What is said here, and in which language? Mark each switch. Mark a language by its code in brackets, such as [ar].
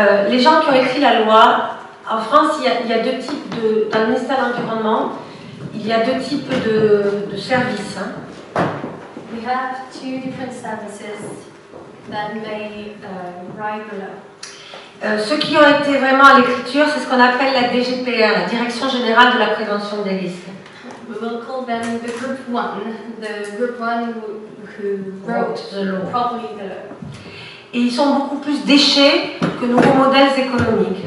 [fr] Les gens qui ont écrit la loi en France, il y a deux types de dans le ministère de l'environnement, il y a deux types de services. Hein. [en] We have two different services that may write the law. [fr] Ceux qui ont été vraiment à l'écriture, c'est ce qu'on appelle la DGPR, la Direction Générale de la Prévention des Risques. [en] We will call them the group one, who wrote the law. Probably the law. [fr] Et ils sont beaucoup plus déchets que nouveaux modèles économiques.